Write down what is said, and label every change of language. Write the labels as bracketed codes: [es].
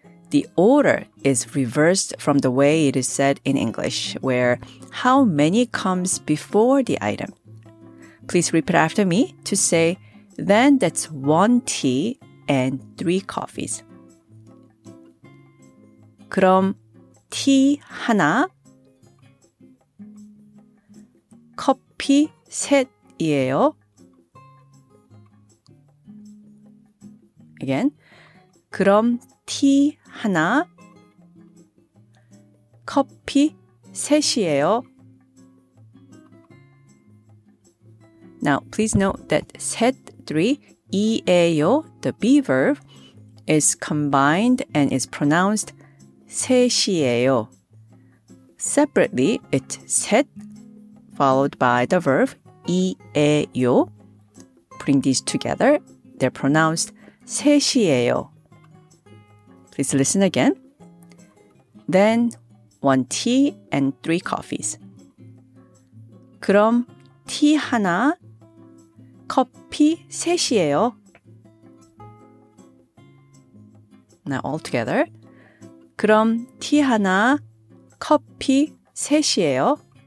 [en] The order is reversed from the way it is said in English, where how many comes before the item. Please repeat after me to say, then that's one tea and three coffees. [ko] 그럼 티 하나, 커피 셋이에요. [en] Again. [ko] 그럼 티 하나, 커피 셋이에요. [en] Now, please note that 셋, 3, 이에요, the be verb, is combined and is pronounced 셋이에요. Separately, it's 셋 followed by the verb 이에요. Putting these together, they're pronounced 셋이에요. Please listen again. Then, one tea and three coffees. [ko] 그럼 티 하나, 커피 셋이에요. [en] Now all together. [ko] 그럼 티 하나, 커피 셋이에요.